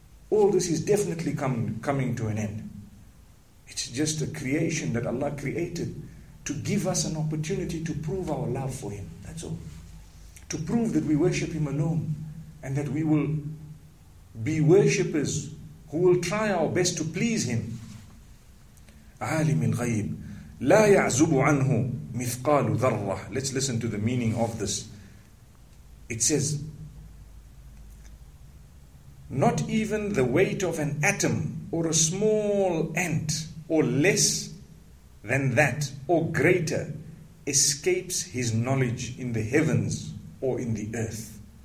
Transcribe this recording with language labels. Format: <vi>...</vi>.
<en>All this is definitely coming to an end. It's just a creation that Allah created to give us an opportunity to prove our love for Him. That's all. To prove that we worship Him alone and that we will be worshippers who will try our best to please Him.</en> <ar>عالم الغيب لا يعزب عنه مثقال ذرة.</ar> <en>Let's listen to the meaning of this. It says, not even the weight of an atom or a small ant or less than that or greater escapes his knowledge in the heavens or in the earth.</en>